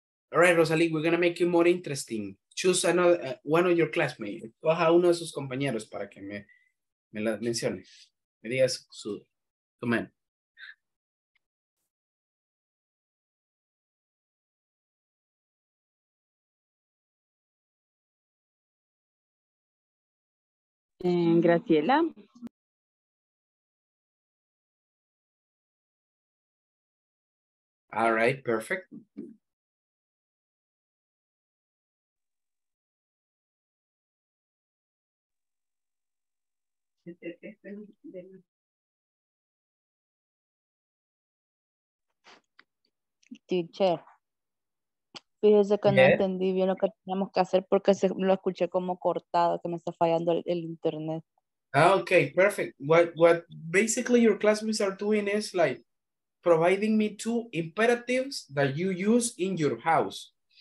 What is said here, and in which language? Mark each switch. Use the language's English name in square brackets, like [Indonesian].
[English] All right, Rosalie, we're going to make you more interesting. Choose another one of your classmates. [Spanish] Coja uno de sus compañeros para que me la mencione. Me digas su man. Graciela. [English] All right, perfect. [Spanish] Teacher, fíjese que no entendí bien lo que teníamos que hacer porque lo escuché como cortado, que me está fallando el internet. [English] Okay, perfect. What basically your classmates are doing is like providing me two imperatives that you use in your house.